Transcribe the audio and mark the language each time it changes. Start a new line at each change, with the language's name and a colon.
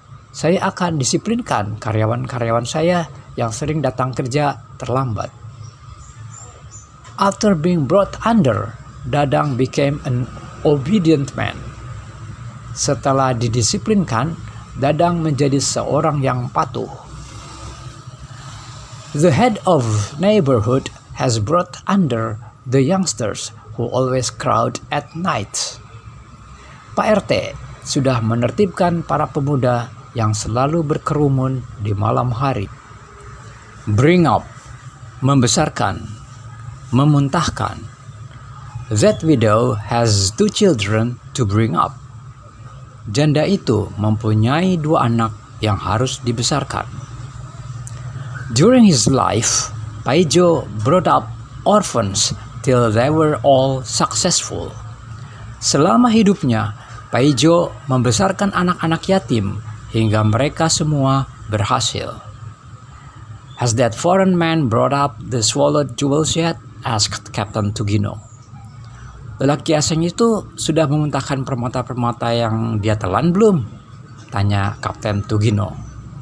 Indonesian: Saya akan disiplinkan karyawan-karyawan saya yang sering datang kerja terlambat.
English: After being brought under, Dadang became an obedient man.
Indonesian: Setelah didisiplinkan, Dadang menjadi seorang yang patuh.
English: The head of neighborhood has brought under the youngsters who always crowd at night.
Indonesian: Pak RT sudah menertibkan para pemuda yang selalu berkerumun di malam hari.
English: Bring up, membesarkan, memuntahkan. That widow has 2 children to bring up.
Indonesian: Janda itu mempunyai 2 anak yang harus dibesarkan.
English: During his life, Paijo brought up orphans till they were all successful.
Indonesian: Selama hidupnya, Paijo membesarkan anak-anak yatim hingga mereka semua berhasil.
English: Has that foreign man brought up the swallowed jewels yet? Asked Captain Tugino.
Indonesian: Lelaki asing itu sudah memuntahkan permata-permata yang dia telan belum? Tanya Kapten Tugino.